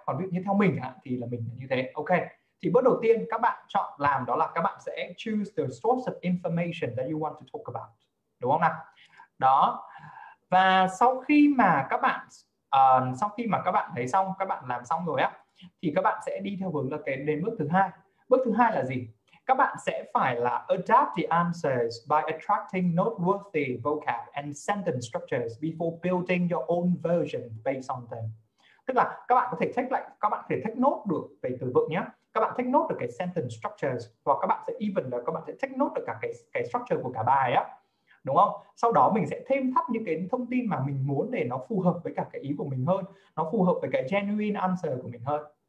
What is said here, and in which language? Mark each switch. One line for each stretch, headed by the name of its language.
Vietnamese: Còn ví dụ như theo mình chẳng hạn, thì là mình như thế. Ok, thì bước đầu tiên các bạn chọn làm đó là các bạn sẽ
English: choose the source of information that you want to talk about,
Vietnamese: đúng không nào? Đó. Và sau khi mà các bạn thấy xong, các bạn làm xong rồi á, thì các bạn sẽ đi theo hướng là cái đến bước thứ hai. Bước thứ hai là gì? Các bạn sẽ phải là
English: adapt the answers by attracting noteworthy vocab and sentence structures before building your own version based on them.
Vietnamese: Tức là các bạn có thể check lại, các bạn có thể check note được về từ vựng nhé. Các bạn check note được cái sentence structures, hoặc các bạn sẽ even là các bạn sẽ check note được cả cái structure của cả bài á, đúng không? Sau đó mình sẽ thêm thắt những cái thông tin mà mình muốn để nó phù hợp với cả cái ý của mình hơn, nó phù hợp với cái genuine answer của mình hơn.